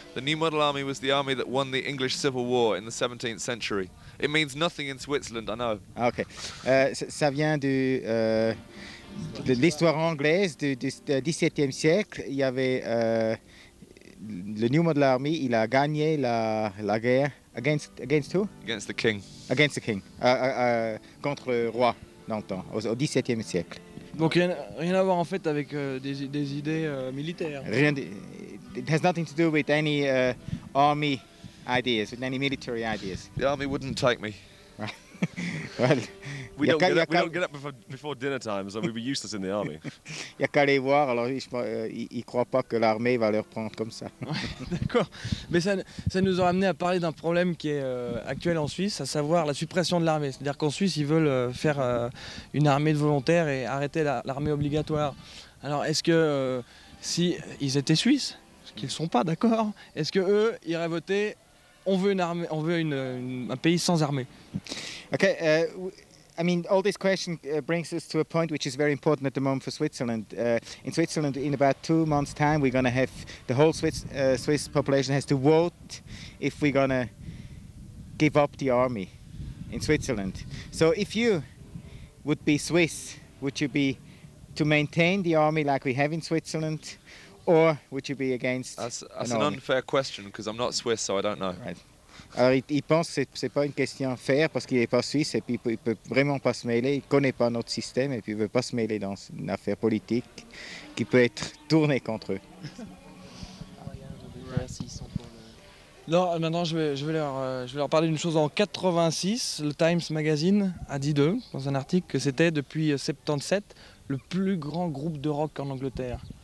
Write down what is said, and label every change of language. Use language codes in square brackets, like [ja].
[en] The New Model Army was the army that won the English Civil War in the 17th century. It means nothing in Switzerland, I know. Okay. [fr] Ça vient de l'histoire anglaise du 17e siècle. Il y avait le New Model Army, il a gagné la guerre [en] against who? Against the king. Against the king. [fr] Contre le roi d'antan, au 17e siècle. Donc rien à voir en fait avec des idées militaires. Rien. [en] It has nothing to do with any army ideas, with any military ideas. The army wouldn't take me. Well, we don't get up before dinner time, so we'd be useless in the army. [fr] Il y a qu'à les voir. Alors ils croient pas que l'armée va leur prendre comme ça. D'accord. Mais ça nous a amené à parler d'un problème qui est actuel en Suisse, à savoir la suppression de l'armée. C'est-à-dire qu'en Suisse, ils veulent faire une armée de volontaires et arrêter l'armée obligatoire. Alors est-ce que si ils étaient suisses, ce qu'ils sont pas, d'accord, est-ce que eux iraient voter? On veut une armée, on veut un pays sans armée. [en] Okay, all this question brings us to a point which is very important at the moment for Switzerland. In Switzerland, in about 2 months' time, we're going to have the whole Swiss population has to vote if we're going to give up the army in Switzerland. So if you would be Swiss, would you be to maintain the army like we have in Switzerland? Or would you be against? That's an unfair question because I'm not Swiss, so I don't know. Right. [fr] Alors, il pense que c'est pas une question fair parce qu'il est pas suisse et puis il peut vraiment pas se mêler. Il connaît pas notre système et puis il veut pas se mêler dans une affaire politique qui peut être tournée contre eux. Non, maintenant je vais leur parler d'une chose. En 86, le Times Magazine a dit d'eux dans un article que c'était depuis 77 le plus grand groupe de rock en Angleterre.